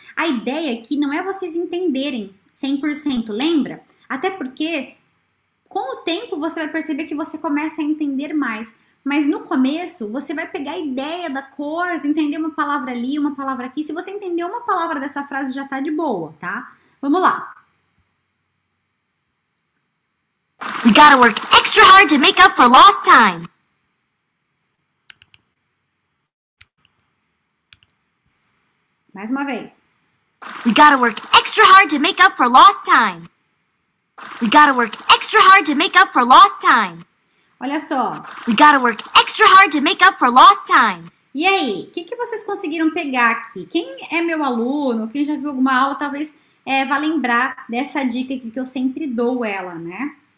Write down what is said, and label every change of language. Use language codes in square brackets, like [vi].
[pt] A ideia aqui não é vocês entenderem 100%, lembra? Até porque, com o tempo, você vai perceber que você começa a entender mais. Mas no começo, você vai pegar a ideia da coisa, entender uma palavra ali, uma palavra aqui. Se você entender uma palavra dessa frase, já tá de boa, tá? Vamos lá. [en] We gotta work extra hard to make up for lost time. [pt] Mais uma vez. [en] We gotta work extra hard to make up for lost time. We gotta work extra hard to make up for lost time. [pt] Olha só. [en] We gotta work extra hard to make up for lost time. [pt] E aí, o que, que vocês conseguiram pegar aqui? Quem é meu aluno, quem já viu alguma aula, talvez vá lembrar dessa dica aqui que eu sempre dou ela, né?